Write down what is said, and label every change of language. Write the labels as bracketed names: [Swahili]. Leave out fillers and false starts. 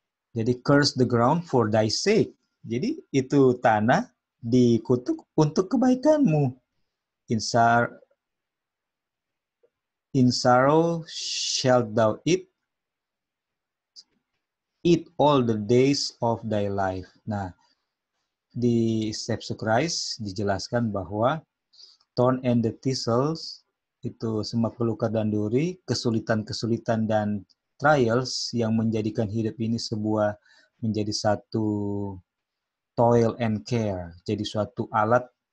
[English] Jadi curse the ground for thy sake. [Indonesian] Jadi itu tanah dikutuk untuk kebaikanmu. [English] In sorrow shalt thou eat all the days of thy life. [Indonesian] Nah, di Steps to Christ dijelaskan bahwa [English] thorn and the thistles, [Indonesian] itu semak belukar dan duri, kesulitan-kesulitan dan trials yang menjadikan hidup ini menjadi satu [English] toil and care, [Indonesian] jadi suatu alat